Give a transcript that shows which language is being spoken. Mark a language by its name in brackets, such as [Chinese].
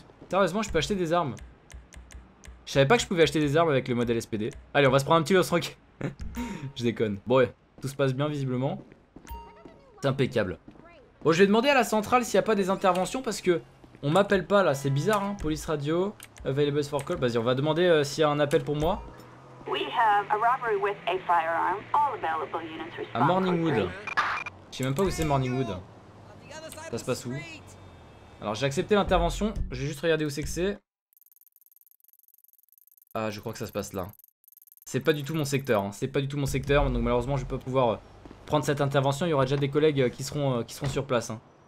[French] Sérieusement, je peux acheter des armes. Je savais pas que je pouvais acheter des armes avec le modèle SPD. Allez, on va se prendre un petit Lost Rock. Je déconne. Bon, ouais, tout se passe bien visiblement. C'est impeccable. Bon, je vais demander à la centrale s'il n'y a pas des interventions parce que on m'appelle pas là. C'est bizarre, hein. [English] Police radio, available for call. [French] Vas-y, on va demander s'il y a un appel pour moi. [English] We have a robbery with a firearm. All available units respond. À Morningwood. [French] Je sais même pas où c'est Morningwood. Ça se passe où? Alors j'ai accepté l'intervention, je vais juste regarder où c'est que c'est. Ah, je crois que ça se passe là. C'est pas du tout mon secteur, hein. C'est pas du tout mon secteur, donc malheureusement je vais pas pouvoir prendre cette intervention, il y aura déjà des collègues qui seront sur place. Hein.